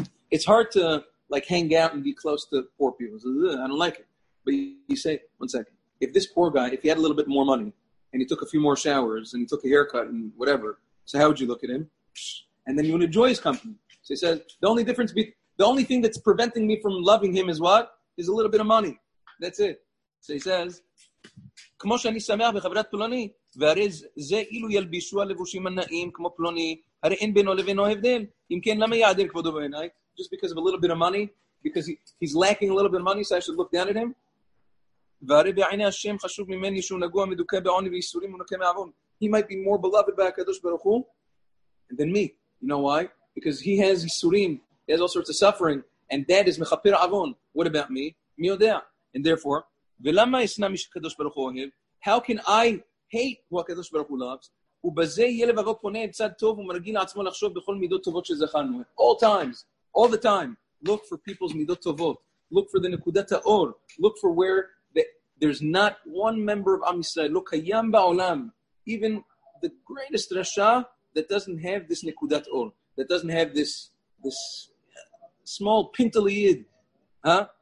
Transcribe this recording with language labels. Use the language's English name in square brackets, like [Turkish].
[English] It's hard to, like, hang out and be close to poor people. So, I don't like it. But you say, one second, if this poor guy, if he had a little bit more money, and he took a few more showers, and he took a haircut, and whatever, so how would you look at him? And then you would enjoy his company. So he says, the only difference, the only thing that's preventing me from loving him is what? Is a little bit of money. That's it. [Hebrew] So he says, כמו שאני שמח בחברת פלוני, והרי זה אילו ילבישו הלבושים הנעים כמו פלוני, הרי אין בינו לבינו הבדל. אם כן, למה יעדר כבודו בעיניי? [English] Just because of a little bit of money, because he's lacking a little bit of money, so I should look down at him. [Hebrew] והרי בעיני השם חשוב ממני שהוא נגוע מדוכה בעוני ויסורים ונוקה מעוון. [English] He might be more beloved by הקדוש ברוך הוא than me. You know why? Because he has יסורים, he has all sorts of suffering, and that is [Hebrew] מחפיר עוון. [English] What about me? [Hebrew] מי יודע? [English] And therefore, [Hebrew] ולמה ישנה מי שקדוש ברוך הוא אוהב? [English] How can I hate who הקדוש ברוך הוא loves? [Hebrew] ובזה יהיה לבבו פונה צד טוב ומרגיל לעצמו לחשוב בכל מידות טובות שזכרנו. [English] All times, all the time, look for people's מידות טובות. Look for the נקודת האור. Look for where there's not one member of Am Yisrael, [Hebrew] lo kayam ba'olam, [English] even the greatest rasha, that doesn't have this nekudat or, that doesn't have this small pintaliyid, huh?